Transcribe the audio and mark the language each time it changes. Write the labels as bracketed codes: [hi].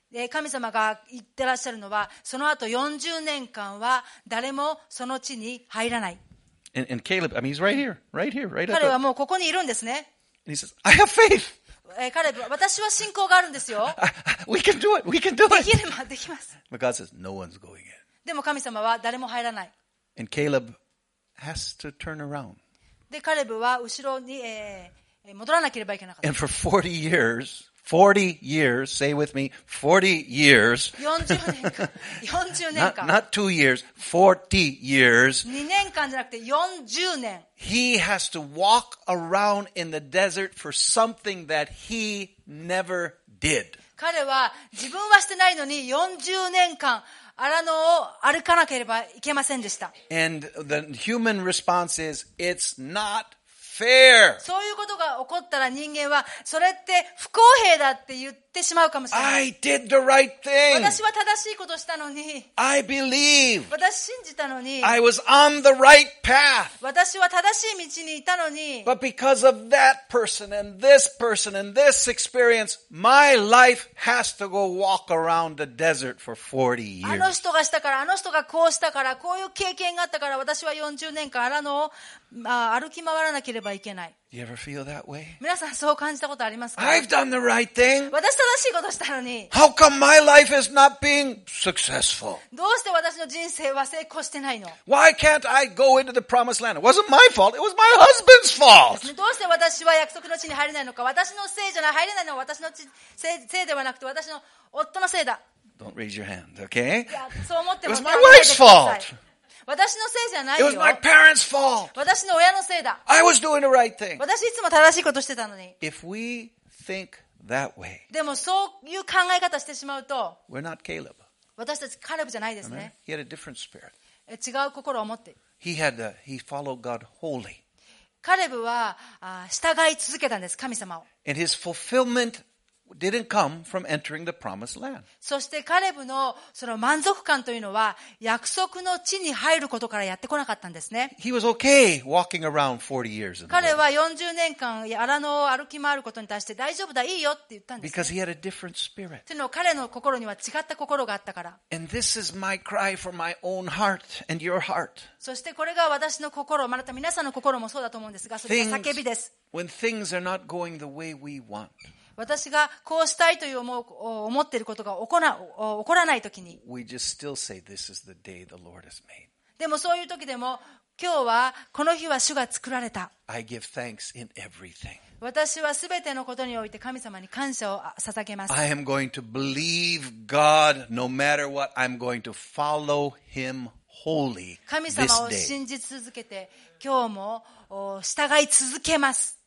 [ja] 神様が言ってらっしゃるのは、その後40年間は誰もその地に入らない。 [en] And Caleb, I mean, he's right here, right here, right up there. [ja] 彼はもうここにいるんですね。 [en] And he says, I have faith! [ja] カレブ、私は信仰があるんですよ。 [en] We can do it, we can do it! [ja] できれば、できます。 [en] But God says, no one's going in. [ja] でも神様は誰も入らない。 [en] And Caleb has to turn around. [ja] でカレブは後ろに、戻らなければいけなかった。 [en] And for 40 years, 40 years, say with me, 40 years. [ja] 40年間。 [en] not 2 years, 40 years. [ja] 2年間じゃなくて40年。 [en] He has to walk around in the desert for something that he never did. [ja] 彼は自分はしてないのに40年間。アラノを歩かなければいけませんでした。 [en] And the human response is, it's not fair. [ja] そういうことが起こったら人間はそれって不公平だって言ってしまうかもしれない。 [en] I did the right thing. [ja] 私は正しいことしたのに。 [en] I believed. [ja] 私信じたのに。 [en] I was on the right path. [ja] 私は正しい道にいたのに。 [en] But because of that person and this person and this experience, my life has to go walk around the desert for 40 years. [ja] あの人がしたから、あの人がこうしたから、こういう経験があったから、私は40年間アラノを歩き回らなければいけない。 [en] You ever feel that way? [ja] 皆さんそう感じたことありますか? [en] I've done the right thing. [ja] 私正しいことしたのに。 [en] How come my life is not being successful? [ja] どうして私の人生は成功してないの? [en] Why can't I go into the promised land? It wasn't my fault. It was my husband's fault. [ja] どうして私は約束の地に入れないのか。私のせいじゃない。入れないのは私のせいではなくて私の夫のせいだ。 [en] Don't raise your hand, okay? [ja] そう思ってます。 [en] It was my wife's fault. [ja] 私のせいじゃないよ。 [en] It was my parents' fault. [ja] 私の親のせいだ。 [en] I was doing the right thing. [ja] 私いつも正しいことしてたのに。 [en] If we think that way, [ja] でもそういう考え方してしまうと、 [en] we're not Caleb. [ja] 私たちカレブじゃないですね。 [en] He had a different spirit. [ja] 違う心を持って。 [en] He followed God wholly. [ja] カレブは従い続けたんです、神様を。 [en] And his fulfillment didn't come from entering the promised land. [ja] そしてカレブのその満足感というのは約束の地に入ることからやってこなかったんですね。 [en] He was okay walking around 40 years. [ja] 彼は40年間アラノを歩き回ることに対して大丈夫だいいよって言ったんです、ね。 [en] Because he had a different spirit. [ja] というのは彼の心には違った心があったから。 [en] And this is my cry for my own heart and your heart. [ja] そしてこれが私の心、また皆さんの心もそうだと思うんですが、それが叫びです。 [en] When things are not going the way we want. [ja] 私がこうしたいという思っていることが起こらないときに。 [en] We just still say, this is the day the Lord has made. [ja] でもそういうときでも、今日はこの日は主が作られた。 [en] I give thanks in everything. [ja] 私はすべてのことにおいて神様に感謝を捧げます。 [en] I am going to believe God no matter what. I'm going to follow Him wholly this day. [ja] 神様を信じ続けて、今日も従い続けます。